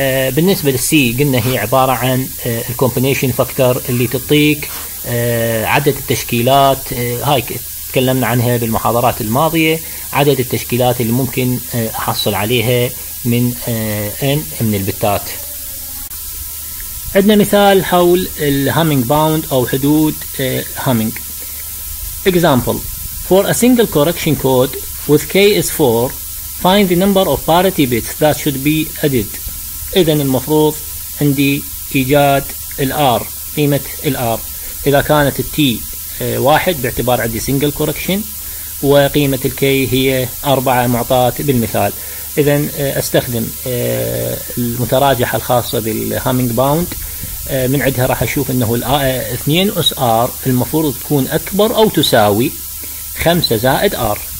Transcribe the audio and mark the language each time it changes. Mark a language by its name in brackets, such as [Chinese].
[Arabic] بالنسبه للسي قلنا هي عباره عن الكومبينيشن فاكتور اللي تعطيك عدد التشكيلات، هاي تكلمنا عنها بالمحاضرات الماضيه، عدد التشكيلات اللي ممكن احصل عليها من ان من البتات. عندنا مثال حول الهامينج باوند او حدود هامينج. [English] Example: For a single correction code with k is 4, find the number of parity bits that should be added. [Arabic] اذا المفروض عندي ايجاد الار، قيمه الار اذا كانت التي 1 باعتبار عندي single correction وقيمه الكي هي 4 معطات بالمثال. اذا استخدم المتراجحه الخاصه بالهامينج باوند، من عندها راح اشوف انه الـ 2 اس ار المفروض تكون اكبر او تساوي 5 زائد ار.